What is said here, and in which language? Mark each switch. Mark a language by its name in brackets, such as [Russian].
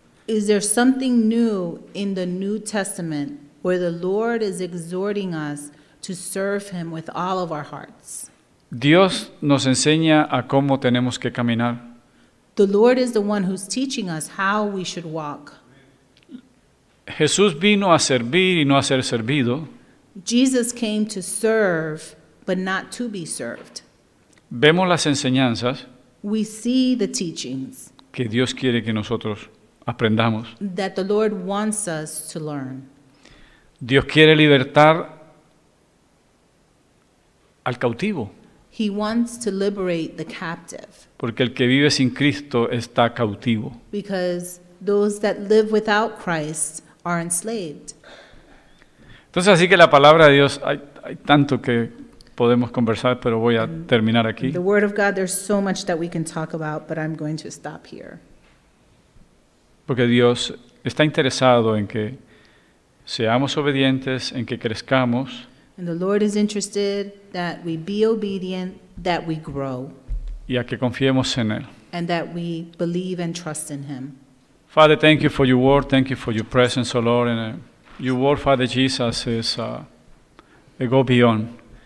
[English] Is there something new in the New Testament where the Lord is exhorting us to serve Him with all of our hearts? [Spanish] Dios nos enseña a cómo tenemos que caminar. [English] The Lord is the one who's teaching us how we should walk. [Spanish] Jesús vino a servir y no a ser servido. [English] Jesus came to serve, but not to be served. [Spanish] Vemos las enseñanzas. [English] We see the teachings. [Spanish] Que Dios quiere que nosotros aprendamos. [English] That the Lord wants us to learn. [Spanish] Dios quiere libertar al cautivo. [English] He wants to liberate the captive. [Spanish] Porque el que vive sin Cristo está cautivo. [English] Because those that live without Christ are enslaved. [Spanish] Entonces, así que la palabra de Dios, hay tanto que podemos conversar, pero voy a terminar aquí. [English] The word of God, there's so much that we can talk about, but I'm going to stop here. [Spanish] Porque Dios está interesado en que seamos obedientes, en que crezcamos. [English] And the Lord is interested that we be obedient, that we grow. [Spanish] Y a que confiemos en él. [English] And that we believe and trust in Him. Father, thank you for your word. Thank you for your presence, O Lord. And your word, Father Jesus, is it go beyond.